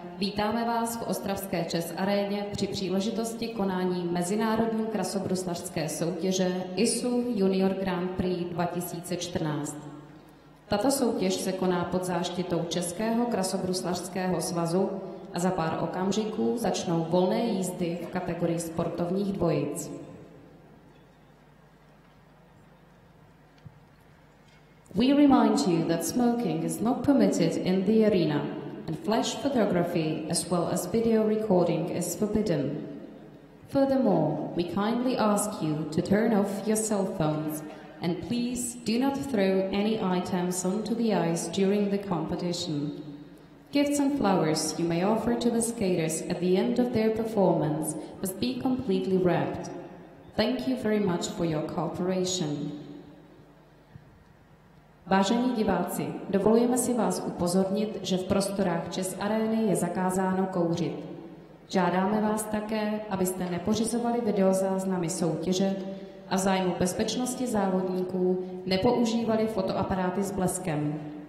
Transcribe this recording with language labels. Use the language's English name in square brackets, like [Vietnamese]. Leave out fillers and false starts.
[Czech] Vítáme vás v ostravské Chess aréně při příležitosti konání mezinárodní krasobruslařské soutěže ISU Junior Grand Prix 2014. Tato soutěž se koná pod záštitou Českého krasobruslařského svazu a za pár okamžiků začnou volné jízdy v kategorii sportovních dvojic. [English] We remind you that smoking is not permitted in the arena, and flash photography as well as video recording is forbidden. Furthermore, we kindly ask you to turn off your cell phones, and please do not throw any items onto the ice during the competition. Gifts and flowers you may offer to the skaters at the end of their performance must be completely wrapped. Thank you very much for your cooperation. [Czech] Vážení diváci, dovolujeme si vás upozornit, že v prostorách Chess arény je zakázáno kouřit. Žádáme vás také, abyste nepořizovali videozáznamy soutěže a v zájmu bezpečnosti závodníků nepoužívali fotoaparáty s bleskem.